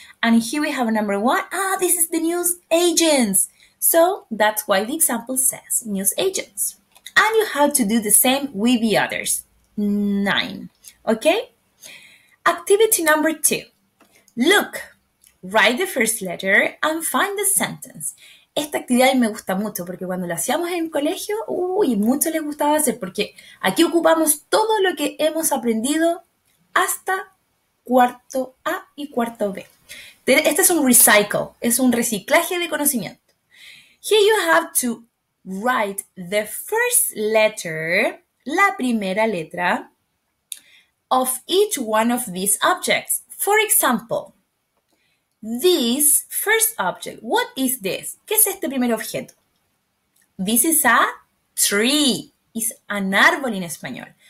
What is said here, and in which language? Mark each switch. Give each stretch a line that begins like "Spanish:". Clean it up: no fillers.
English: And here we have a number 1. Ah, this is the news agents. So that's why the example says news agents. And you have to do the same with the others. 9. Okay? Activity number 2. Look. Write the first letter and find the sentence.
Spanish: Esta actividad me gusta mucho porque cuando la hacíamos en colegio, uy, mucho les gustaba hacer porque aquí ocupamos todo lo que hemos aprendido hasta cuarto A y cuarto B. Este es un recycle, es un reciclaje de conocimiento.
English: Here you have to write the first letter,
Spanish: la primera letra,
English: of each one of these objects. For example, this first object, what is this?
Spanish: ¿Qué es este primer objeto?
English: This is a tree, is an árbol en español.